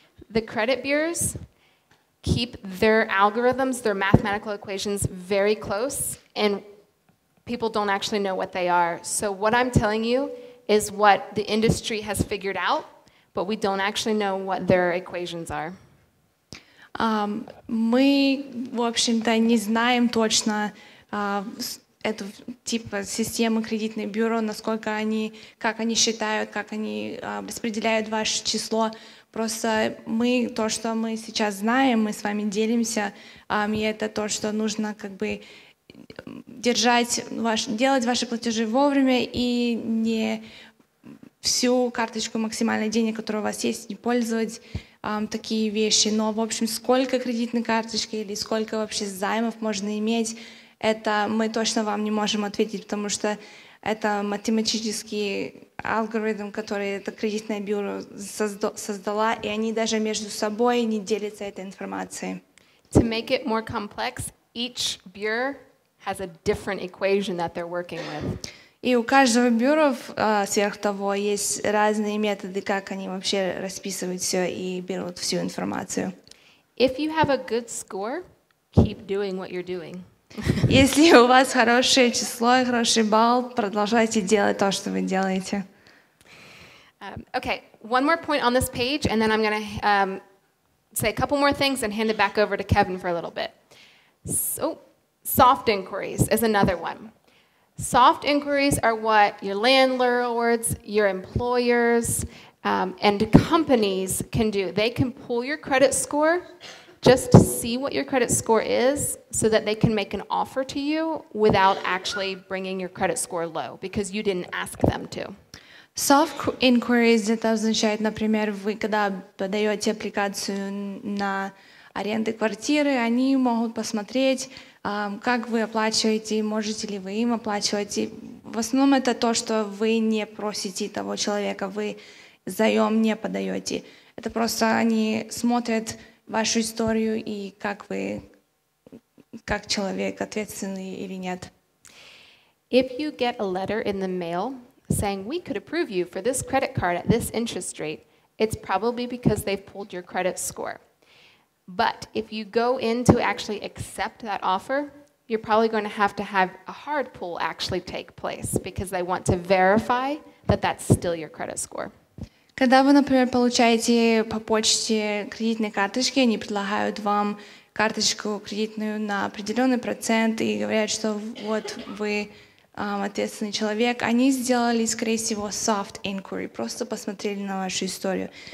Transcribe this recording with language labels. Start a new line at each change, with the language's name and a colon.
English: The credit bureaus keep their algorithms, their mathematical equations very close, and people don't actually know what they are. So what I'm telling you is what the industry has figured out, but we don't actually know what their equations are.
Russian: Мы, в общем-то, не знаем точно эту типа системы кредитной бюро, насколько они, как они считают, как они распределяют ваше число. Просто мы, то, что мы сейчас знаем, мы с вами делимся, и это то, что нужно как бы делать ваши платежи вовремя и не всю карточку максимальной денег, которую у вас есть, не пользовать такие вещи. Но, в общем, сколько кредитной карточки или сколько вообще займов можно иметь, это мы точно вам не можем ответить, потому что это математический алгоритм, который это кредитное бюро создало, и они даже между собой не делятся этой информацией.
English: To make it more complex, each bureau has a different equation that they're working with.
Russian: И у каждого бюро сверх того есть разные методы, как они вообще расписывают все и берут всю информацию.
English: If you have a good score, keep doing what you're doing.
Russian: Если у вас хорошее число и хороший балл, продолжайте делать то, что вы делаете.
English: Okay, one more point on this page, and then I'm going to say a couple more things and hand it back over to Kevin for a little bit. So, soft inquiries is another one. Soft inquiries are what your landlords, your employers, and companies can do. They can pull your credit score, just see what your credit score is so that they can make an offer to you without actually bringing your credit score low because you didn't ask them to.
Russian: Soft inquiries, это означает, например, вы когда подаете аппликацию на аренду квартиры, они могут посмотреть, Как вы оплачиваете, можете ли вы им оплачивать? В основном это то, что вы не просите того человека, вы заем не подаете. Это просто они смотрят вашу историю и как вы, как человек, ответственный или нет.
English: If you get a letter in the mail saying we could approve you for this credit card at this interest rate, it's probably because they've pulled your credit score. But if you go in to actually accept that offer, you're probably going to have a hard pull actually take place because they want to verify that that's still your credit score.
Russian: Когда вы, например, получаете по почте кредитные карточки, они предлагают вам карточку кредитную на определенный процент и говорят, что вот вы ответственный человек, они сделали, скорее всего, soft inquiry, просто посмотрели на вашу историю.